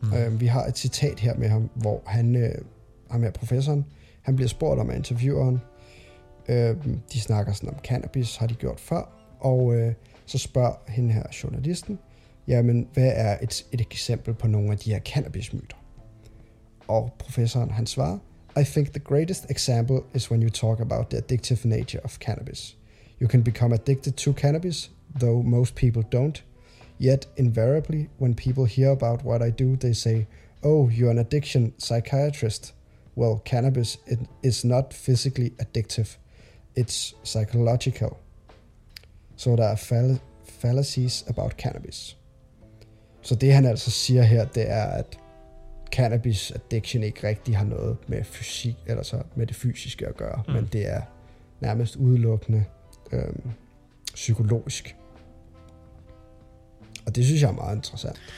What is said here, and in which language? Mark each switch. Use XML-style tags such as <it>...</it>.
<da>Vi har et citat her med ham, hvor han, ham er professoren, han bliver spurgt om af intervieweren. De snakker sådan om cannabis, har de gjort før, og så spørger hende her journalisten, jamen, hvad er et eksempel på nogle af de her cannabismyter? Og professoren, han svarer,</da> <en>I think the greatest example is when you talk about the addictive nature of cannabis. You can become addicted to cannabis, though most people don't. Yet, invariably, when people hear about what I do, they say, oh, you're an addiction psychiatrist. Well, cannabis is not physically addictive. It's psychological. So there are fallacies about cannabis.</en> <da>Så det, han altså siger her, det er, at cannabis addiction ikke rigtig har noget med fysik, eller så med det fysiske at gøre, men det er nærmest udelukkende psykologisk. Og det synes jeg er meget interessant.</da>